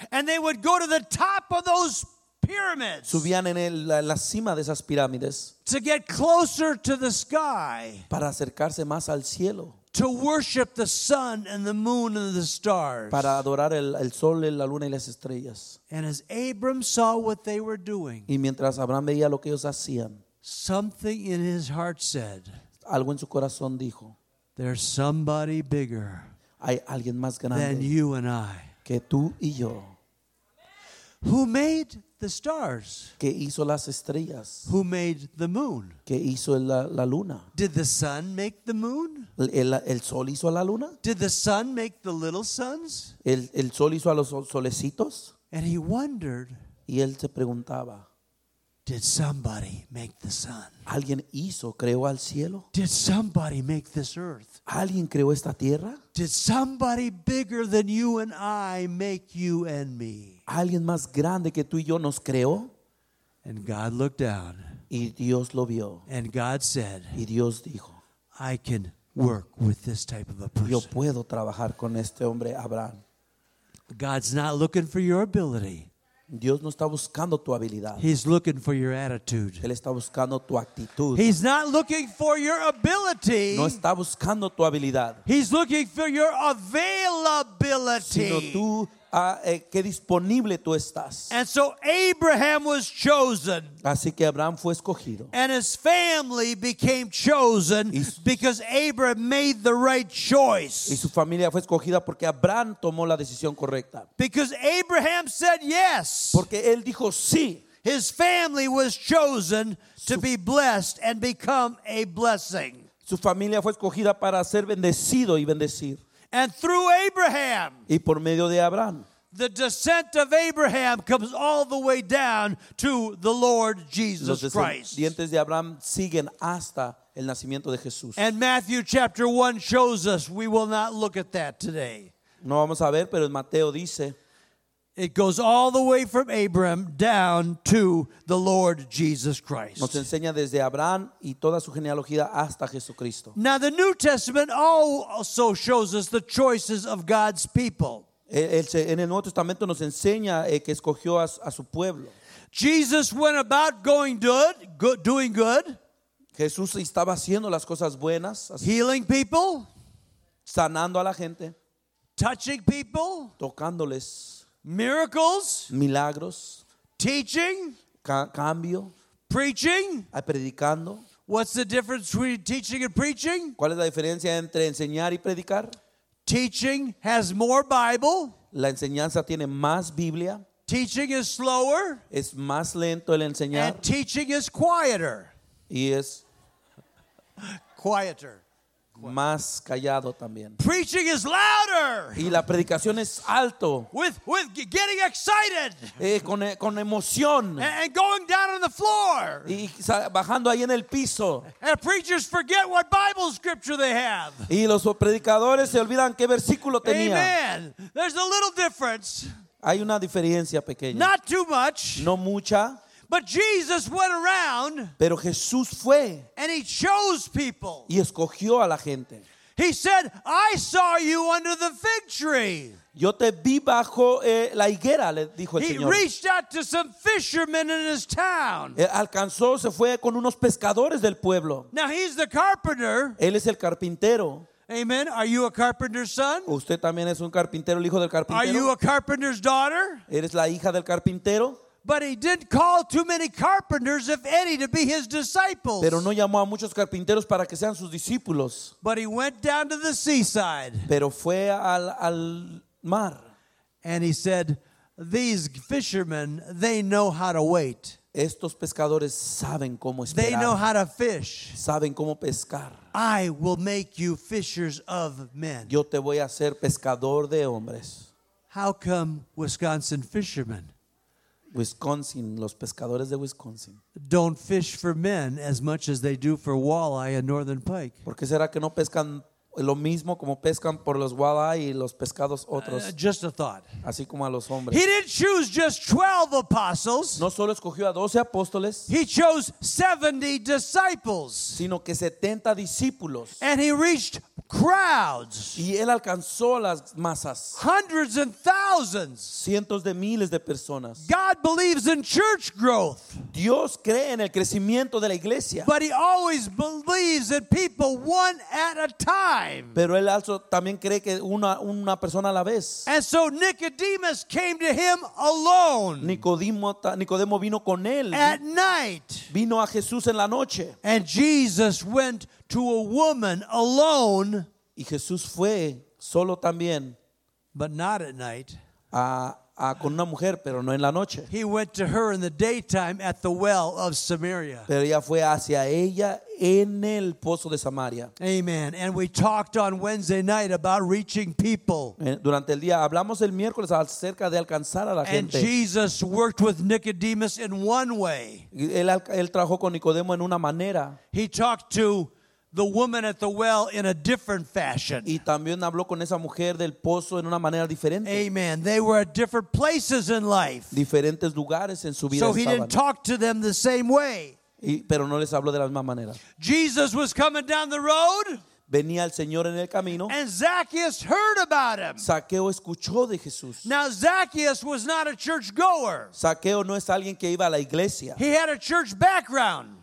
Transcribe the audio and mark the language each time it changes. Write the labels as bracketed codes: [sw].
[en] And they would go to the top of those pyramids. [es] Subían en la cima de esas pirámides. [en] To get closer to the sky. [es] Para acercarse más al cielo. [en] To worship the sun and the moon and the stars. [es] Para adorar el sol, la luna y las estrellas. [en] And as Abram saw what they were doing, [es] y mientras Abraham veía lo que ellos hacían, [en] something in his heart said, [es] algo en su corazón dijo, [en] there's somebody bigger, [es] hay alguien más grande, [en] than you and I, [es] que tú y yo. [en] Who made the stars? [es] Que hizo las estrellas. [en] Who made the moon? [es] Que hizo la luna. [en] Did the sun make the moon? [es] El sol hizo la luna. [en] Did the sun make the little suns? [es] El sol hizo a los solecitos. [en] And he wondered. [es] Y él se preguntaba. [en] Did somebody make the sun? [es] ¿Alguien hizo, creó al cielo? [en] Did somebody make this earth? [es] ¿Alguien creó esta tierra? [en] Did somebody bigger than you and I make you and me? [es] ¿Alguien más grande que tú y yo nos creó? [en] And God looked down. [es] Y Dios lo vio. [en] And God said. [es] Y Dios dijo. [en] I can work with this type of a person. [es] Yo puedo trabajar con este hombre, Abraham. [en] God's not looking for your ability. [es] Dios no está buscando tu habilidad. [en] He's looking for your attitude. [es] Él está buscando tu actitud. [en] He's not looking for your ability. [es] No está buscando tu habilidad. [en] He's looking for your availability. [es] Sino tú, qué disponible tú estás. [en] And so Abraham was chosen. [es] Así que Abraham fue escogido. [en] And his family became chosen because Abraham made the right choice. [es] Y su familia fue escogida porque Abraham tomó la decisión correcta. [en] Because Abraham said yes. [es] Porque él dijo sí. [en] His family was chosen to be blessed and become a blessing. [es] Su familia fue escogida para ser bendecido y bendecir. [en] And through Abraham, [es] y por medio de Abraham, [en] the descent of Abraham comes all the way down to the Lord Jesus Christ. [es] Los descendientes de Abraham siguen hasta el nacimiento de Jesús. [en] And Matthew chapter 1 shows us, we will not look at that today. [es] No vamos a ver, pero Mateo dice, [en] It goes all the way from Abraham down to the Lord Jesus Christ. [es] Nos enseña desde Abraham y toda su genealogía hasta Jesucristo. [en] Now the New Testament also shows us the choices of God's people. [es] En el Nuevo Testamento nos enseña que escogió a su pueblo. [en] Jesus went about doing good. [es] Jesús estaba haciendo las cosas buenas. [en] Healing people. [es] Sanando a la gente. [en] Touching people. [es] Tocándoles. [en] Miracles. [es] Milagros. [en] Teaching. [es] Cambio. [en] Preaching. [es] Predicando. [en] What's the difference between teaching and preaching? [es] ¿Cuál es la diferencia entre enseñar y predicar? [en] Teaching has more Bible. [es] La enseñanza tiene más Biblia. [en] Teaching is slower. [es] Es más lento el enseñar. [en] And teaching is quieter. [es] Y es [en] quieter. [es] Más callado también. [en] Preaching is louder. [es] Y la predicación es alto. [en] With getting excited. [es] Con emoción. [en] And going down on the floor. [es] Y bajando ahí en el piso. [en] And preachers forget what Bible scripture they have. [es] Y los predicadores se olvidan qué versículo tenía. [en] Amen. There's a little difference. [es] Hay una diferencia pequeña. [en] Not too much. [es] No mucha. [en] But Jesus went around. [es] Pero Jesús fue. [en] And he chose people. [es] Y escogió a la gente. [en] He said, "I saw you under the fig tree." [es] Yo te vi bajo la higuera, le dijo el [en] he [es] Señor. [en] He reached out to some fishermen in his town. [es] Alcanzó, se fue con unos pescadores del pueblo. [en] Now he's the carpenter. [es] Él es el carpintero. [en] Amen. Are you a carpenter's son? [es] ¿Usted también es un carpintero, el hijo del carpintero? [en] Are you a carpenter's daughter? [es] ¿Eres la hija del carpintero? [en] But he didn't call too many carpenters, if any, to be his disciples. [es] Pero no llamó a muchos carpinteros para que sean sus discípulos. [en] But he went down to the seaside. [es] Pero fue al mar. [en] And he said, "These fishermen, they know how to wait." [es] Estos pescadores saben cómo esperar. [en] They know how to fish. [es] Saben cómo pescar. [en] I will make you fishers of men. [es] Yo te voy a hacer pescador de hombres. [en] How come Wisconsin fishermen? [es] Wisconsin, los pescadores de Wisconsin. [en] Don't fish for men as much as they do for walleye and northern pike. [es] ¿Por qué será que no pescan lo mismo como pescan por los walleye y los pescados otros? [en] Just a thought. [es] Así como a los hombres. [en] He didn't choose just 12 apostles. [es] No solo escogió a 12 apóstoles. [en] He chose 70 disciples. [es] Sino que 70 discípulos. [en] And he reached crowds. [es] Y él alcanzó las masas. [en] Hundreds and thousands. [es] Cientos de miles de personas. [en] God believes in church growth. [es] Dios cree en el crecimiento de la iglesia. [en] But he always believes in people one at a time. [es] Pero él also también cree que una persona a la vez. [en] And so Nicodemus came to him alone. [es] Nicodemo vino con él. [en] At night. [es] Vino a Jesús en la noche. [en] And Jesus went to a woman alone. [es] Y Jesús fue solo también. [en] But not at night. [es] Con una mujer, pero no en la noche. [en] He went to her in the daytime at the well of Samaria. [es] Pero ella fue hacia ella en el pozo de Samaria. [en] Amen. And we talked on Wednesday night about reaching people. [es] Durante el día hablamos el miércoles acerca de alcanzar a la gente. [en] And Jesus worked with Nicodemus in one way. [es] Él trabajó con Nicodemo en una manera. [en] He talked to the woman at the well in a different fashion. [es] Y también habló con esa mujer del pozo en una manera diferente. [en] Amen. They were at different places in life. [es] Diferentes lugares en su vida estaban. [en] So he didn't talk to them the same way. [es] Pero no les habló de la misma manera. [en] Jesus was coming down the road. [es] Venía el Señor en el camino. [en] And Zacchaeus heard about him. [es] Zaqueo escuchó de Jesús. [en] Now Zacchaeus was not a church goer. [es] Zaqueo no es alguien que iba a la iglesia. [en] He had a church background.